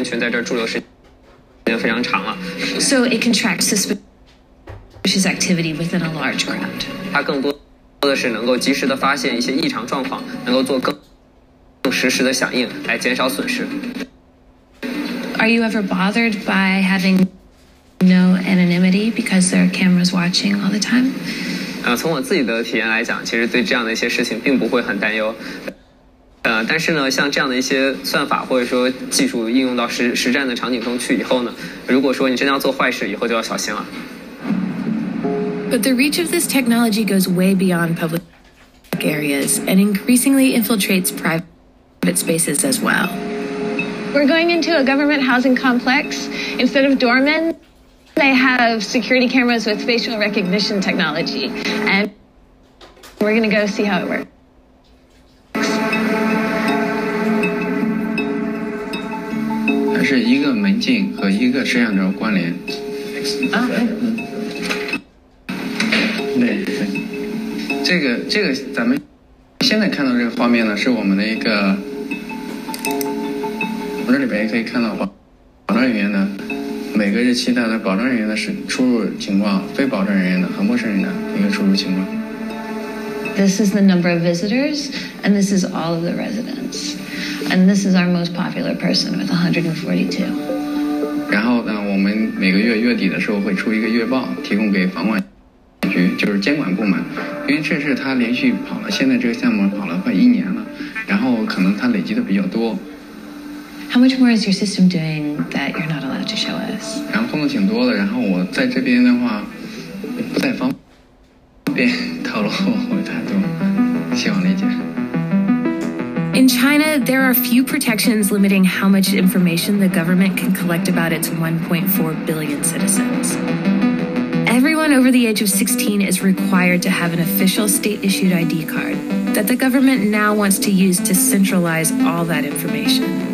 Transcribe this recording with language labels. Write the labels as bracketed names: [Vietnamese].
[Chinese] 这个是我们给这是上海外滩的一个场景，我们是给上海外滩的这个摄像头去做了一个人群的布控。左上这张图是一个原始的图片，然后同样的我们可以得到左下这张图是一个人群驻留时间的一个估计。那红色部分表示这些人群在这儿驻留时间非常长了。 [English] So it can track suspicious activity within a large crowd. [Chinese] 它更多的是能够及时的发现一些异常状况，能够做更 实时的响应来减少损失。 [English] Are you ever bothered by having no anonymity because there are cameras watching all the time? [Chinese] 从我自己的体验来讲，其实对这样的一些事情并不会很担忧。但是呢，像这样的一些算法或者说技术应用到实战的场景中去以后呢，如果说你真的要做坏事，以后就要小心了。 [English] But the reach of this technology goes way beyond public areas and increasingly infiltrates private spaces as well. We're going into a government housing complex. Instead of doormen, they have security cameras with facial recognition technology, and we're going to go see how it works. There's one door and a camera. [Chinese] 这里边也可以看到保障人员的每个日期的保障人员的出入情况，非保障人员的和陌生人的一个出入情况。 [English] This is the number of visitors, and this is all of the residents, and this is our most popular person with 142. [Chinese] 然后呢，我们每个月月底的时候会出一个月报，提供给房管局，就是监管部门，因为这是他连续跑了，现在这个项目跑了快一年了，然后可能他累积的比较多。 [English] How much more is your system doing that you're not allowed to show us? [Chinese] 然后工作挺多的，然后我在这边的话，不太方便透露太多，希望理解。 [English] In China, there are few protections limiting how much information the government can collect about its 1.4 billion citizens. Everyone over the age of 16 is required to have an official state-issued ID card that the government now wants to use to centralize all that information.